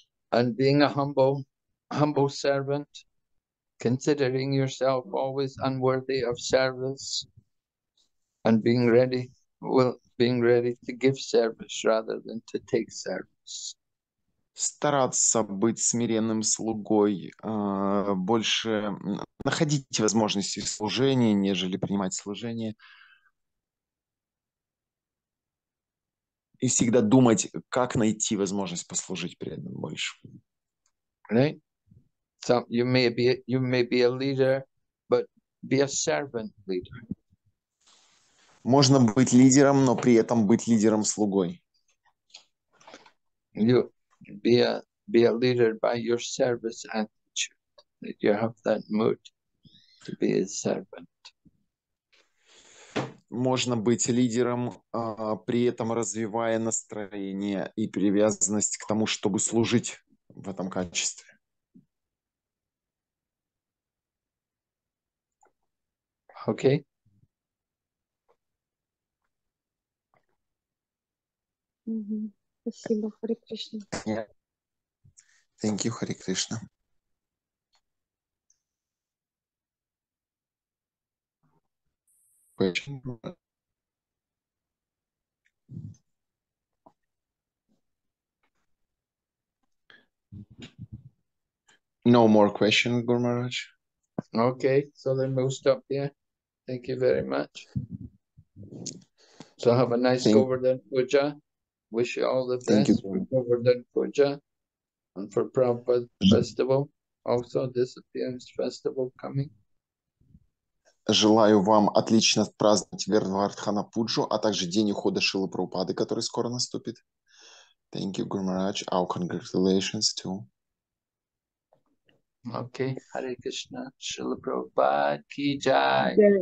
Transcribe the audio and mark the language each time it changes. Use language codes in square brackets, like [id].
[en] And being a humble servant, considering yourself always unworthy of service, and being ready to give service rather than to take service. [ru] Стараться быть смиренным слугой, больше находить возможности служения, нежели принимать служение. И всегда думать, как найти возможность послужить преданным больше. [en] Right? So you may be a leader, but be a servant leader. [ru] Можно быть лидером, но при этом быть лидером слугой. [en] Be a leader by your service attitude. You have that mood to be a servant. [ru] Можно быть лидером, при этом развивая настроение и привязанность к тому, чтобы служить в этом качестве. [en] Okay. [ru] Спасибо, Хари Кришна. [en] Yeah. Thank you, Хари Кришна. No more question, Guru Maharaj. Okay, so then we'll stop here. Thank you very much. So have a nice Govardhan Puja. Wish you all the best for Govardhan Puja and for Prabhupada Festival. Also, Disappearance Festival coming. [ru] Желаю вам отлично праздновать Говардхана Пуджу, а также день ухода Шилы Прабхупады, который скоро наступит. [en] Thank you, Guru Maharaj. Our congratulations too. Okay. Hare Krishna. Srila Prabhupada ki jai.